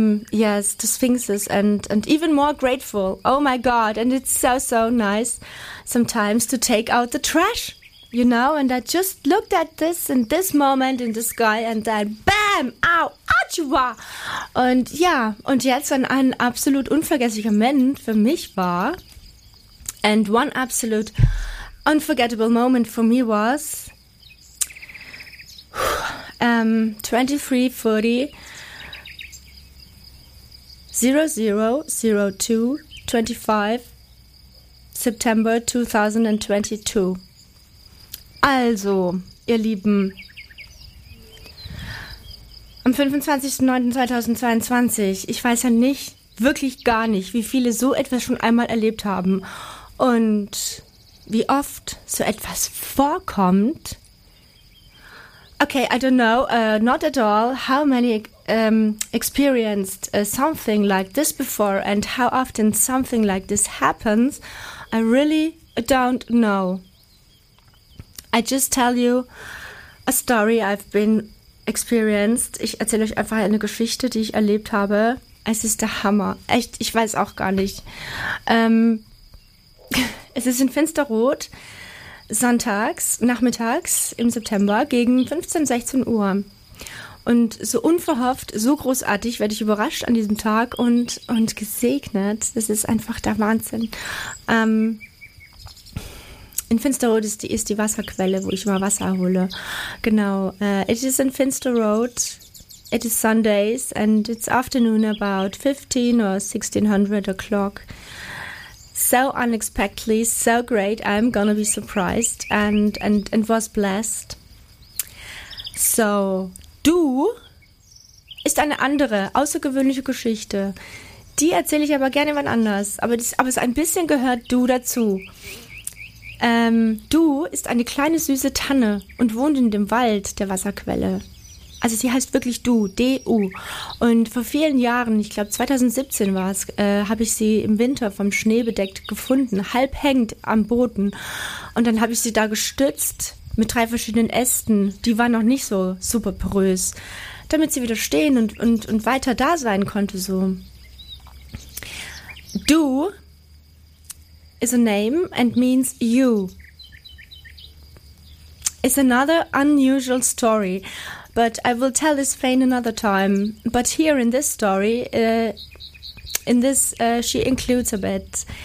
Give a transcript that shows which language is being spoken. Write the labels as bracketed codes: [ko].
[en] Yes, the sphinxes and even more grateful. Oh my God, and it's so nice sometimes to take out the trash, you know, and I just looked at this in this moment in the sky and then bam, ow, achua. [de] Und ja, und jetzt ein absolut unvergesslicher Moment für mich war, [en] and one absolute unforgettable moment for me was [de] 23:40:00:02:25 September 2022. Also, ihr Lieben, am 25.09.2022, ich weiß ja nicht, wirklich gar nicht, wie viele so etwas schon einmal erlebt haben und wie oft so etwas vorkommt. [en] Okay, I don't know, not at all, how many experienced something like this before and how often something like this happens, I really don't know. I just tell you a story I've been experienced. [de] Ich erzähle euch einfach eine Geschichte, die ich erlebt habe. Es ist der Hammer. Echt, ich weiß auch gar nicht. Es ist in Finsterrot. Sonntags, nachmittags im September gegen 15, 16 Uhr. Und so unverhofft, so großartig werde ich überrascht an diesem Tag und gesegnet. Das ist einfach der Wahnsinn. In Finsterrot ist die Wasserquelle, wo ich immer Wasser hole. [en] Genau. It is in Finsterrot. It is Sundays and it's afternoon about 15 or 1600 o'clock. So unexpectedly, so great, I'm gonna be surprised and was blessed. [de] So, du ist eine andere, außergewöhnliche Geschichte. Die erzähle ich aber gerne wann anders, aber es ein bisschen gehört du dazu. Du ist eine kleine süße Tanne und wohnt in dem Wald der Wasserquelle. Also sie heißt wirklich Du, D-U. Und vor vielen Jahren, ich glaube 2017 war es, habe ich sie im Winter vom Schnee bedeckt gefunden, halb hängend am Boden. Und dann habe ich sie da gestützt mit drei verschiedenen Ästen. Die waren noch nicht so super porös, damit sie wieder stehen und weiter da sein konnte. So. [en] Du is a name and means you. It's another unusual story. But I will tell this plain another time. But here in this story, she includes a bit.